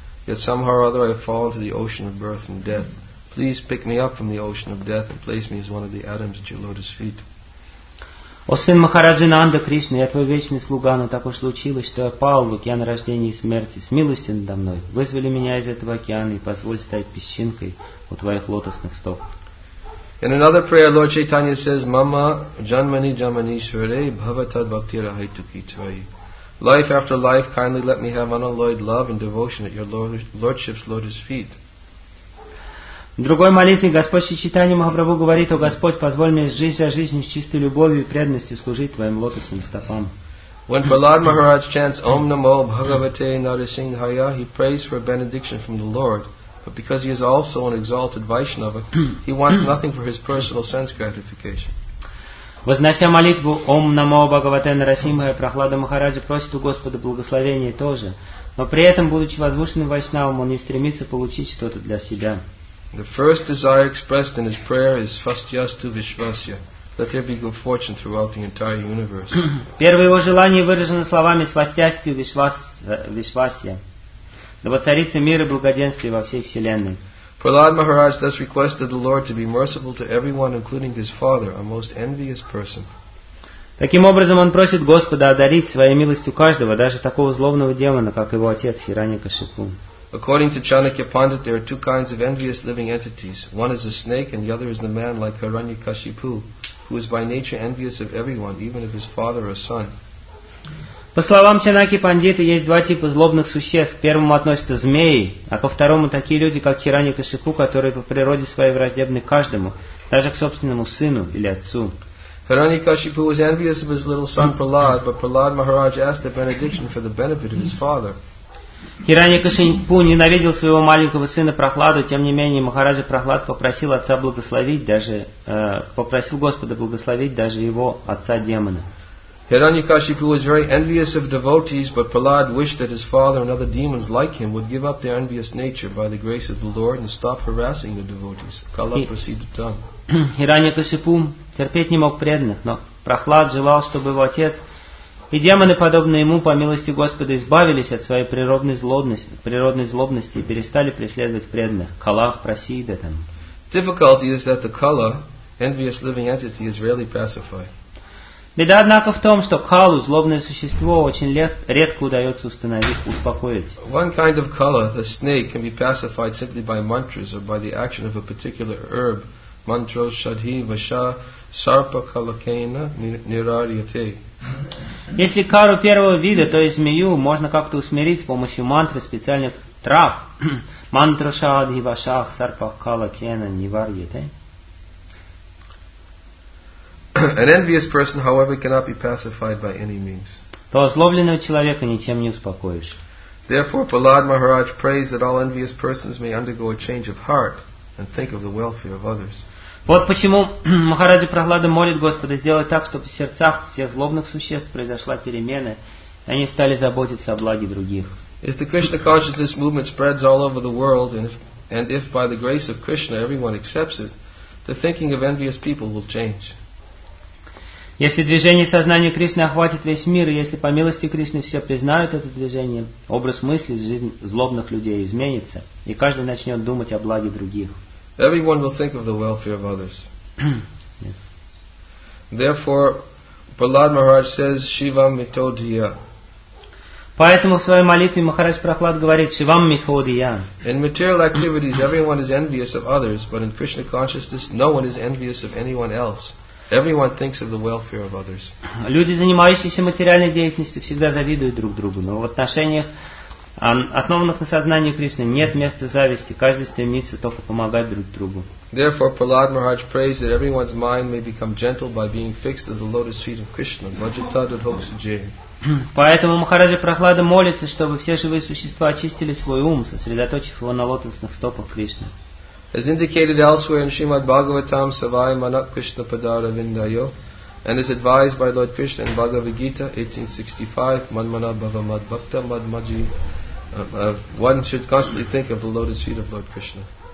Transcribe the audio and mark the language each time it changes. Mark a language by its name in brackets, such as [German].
[English] Yet somehow or other I have fallen to the ocean of birth and death. Please pick me up from the ocean of death and place me as one of the atoms at your lotus feet. [Russian] О сын Махараджи Нанда Кришна, я твой вечный слуга, но так уж случилось, что я пал в океан рождения и смерти. Смилуйся надо мной, вызвали меня из этого океана и позволь стать песчинкой у твоих лотосных стоп. [English] In another prayer, Lord Chaitanya says, [Sanskrit] Mama Janmani Jamani Shvare Bhavatad Bhaktira Haituki Chai. [English] Life after life, kindly let me have unalloyed love and devotion at your Lordship's lotus feet. [Russian] В другой молитве Господь Шри Чайтанья Махапрабху говорит, «О Господь, позволь мне жить за жизнь с чистой любовью и преданностью служить Твоим лотосным стопам». [English] When Prahlad Maharaj chants [Sanskrit] Om Namo Bhagavate Narasimhaya, [English] he prays for a benediction from the Lord. But because he is also an exalted Vaishnava, he wants nothing for his personal sense gratification. [Russian] Вознося молитву [Sanskrit] Ом Намо Бхагавате Нарасимхая, [Russian] Прахлада Махараджа просит у Господа благословения тоже, но при этом, будучи возвышенным Вайшнавом, он не стремится получить что-то для себя. [English] The first desire expressed in his prayer is [Sanskrit] Svastyastu Vishvasya, [English] let there be good fortune throughout the entire universe. [Russian] Первое его желание выражено словами [Sanskrit] Svastyastu Vishvasya, [Russian] да воцарится мир и благоденствие во всей вселенной. [English] Prahlad Maharaj thus requested the Lord to be merciful to everyone, including his father, a most envious person. [Russian] Таким образом, он просит Господа одарить своей милостью каждого, даже такого злобного демона, как его отец Хиранья-Кашипу. [English] According to Chanakya Pandit, there are two kinds of envious living entities. One is a snake, and the other is the man like Hiranyakashipu, who is by nature envious of everyone, even of his father or son. [Russian] По словам Чанаки Пандита, есть два типа злобных существ. К первому относятся змеи, а ко второму такие люди, как Хиранья-Кашипу, которые по природе своей враждебны каждому, даже к собственному сыну или отцу. [English] Hiranyakashipu was envious of his little son Prahlad, but Prahlad Maharaj asked a benediction for the benefit of his father. [Russian] Хиранья-Кашипу ненавидел своего маленького сына Прахладу, тем не менее Махараджа Прахлад попросил отца благословить даже, попросил Господа благословить даже его отца демона. [English] Hiranyakashipu was very envious of devotees, but Prahlad wished that his father and other demons like him would give up their envious nature by the grace of the Lord and stop harassing the devotees. Kala proceeded to tell. [Russian] Hiranyakashipu терпеть не мог преданных, но Прахлад желал, чтобы его отец и демоны, подобные ему, по милости Господа, избавились от своей природной злобности и перестали преследовать преданных. [English] Kala proceeded to tell. Difficulty is that the Kala, envious living entity, is rarely pacified. [Russian] Беда, однако, в том, что калу, злобное существо, очень редко удается установить, успокоить. [English] One kind of kala, the snake, can be pacified simply by mantras or by the action of a particular herb, [Sanskrit] mantra shadhi vasha sarpa kalakena nirariyate. [Russian] Если кару первого вида, то есть змею, можно как-то усмирить с помощью мантры специальных трав, [Sanskrit] мантра шадхи ваша сарпа калакена нирариете. [English] An envious person, however, cannot be pacified by any means. [Russian] То озлобленного человека ничем не успокоишь. [English] Therefore, Prahlad Maharaj prays that all envious persons may undergo a change of heart and think of the welfare of others. [Russian] Вот почему Махараджа Прахлада молит Господа сделать так, чтобы в сердцах всех злобных существ произошла перемена, Они стали заботиться о благе других. [English] If the Krishna consciousness movement spreads all over the world, and if by the grace of Krishna everyone accepts it, the thinking of envious people will change. [Russian] Если движение сознания Кришны охватит весь мир, и если по милости Кришны все признают это движение, образ мысли, жизнь злобных людей изменится, и каждый начнет думать о благе других. [English] Everyone will think of the welfare of others. Yes. Therefore, Prahlad Maharaj says, [Sanskrit] Shivam mito diya. [Russian] Поэтому в своей молитве Махарадж Прахлад говорит, [Sanskrit] Шивам митхо дия. [English] In material activities, everyone is envious of others, but in Krishna consciousness, no one is envious of anyone else. Everyone thinks of the welfare of others. [Russian] Люди, занимающиеся материальной деятельностью, всегда завидуют друг другу, но в отношениях, основанных на сознании Кришны, нет места зависти, каждый стремится только помогать друг другу. [English] Therefore, Prahlad Maharaj prays that everyone's mind may become gentle by being fixed at the lotus feet of Krishna, Vajitadadhoksajaya. [Russian] Поэтому Махараджа Прахлада молится, чтобы все живые существа очистили свой ум, сосредоточив его на лотосных стопах Кришны. [English] As indicated elsewhere in Srimad Bhagavatam, [Sanskrit] Savai Manak Krishna Padara Vindayo, [English] and as advised by Lord Krishna in Bhagavad Gita 1865, [Sanskrit] Manmana Bhava Mad Bhakta Mad Maji, [English] one should constantly think of the lotus feet of Lord Krishna.